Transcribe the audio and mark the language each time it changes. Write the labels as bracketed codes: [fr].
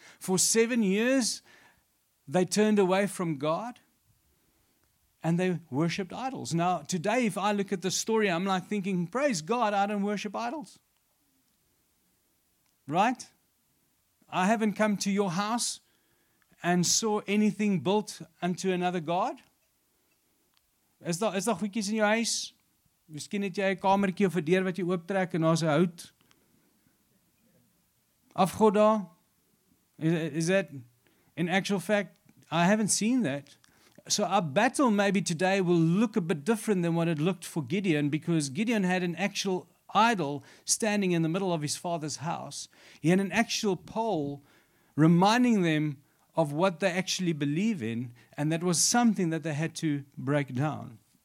[en] For 7 years, they turned away from God and they worshipped idols. Now, today, if I look at the story, I'm like thinking, praise God, I don't worship idols. Right? I haven't come to your house and saw anything built unto another god. [af] Is daar goedjies in jou huis? Miskien het jy 'n kamertjie of 'n deur wat jy ooptrek en daar's 'n hout. Afgod daar. [en] Is that in actual fact, I haven't seen that. So our battle maybe today will look a bit different than what it looked for Gideon, because Gideon had an actual idol standing in the middle of his father's house. He had an actual pole reminding them of what they actually believe in, and that was something that they had to break down.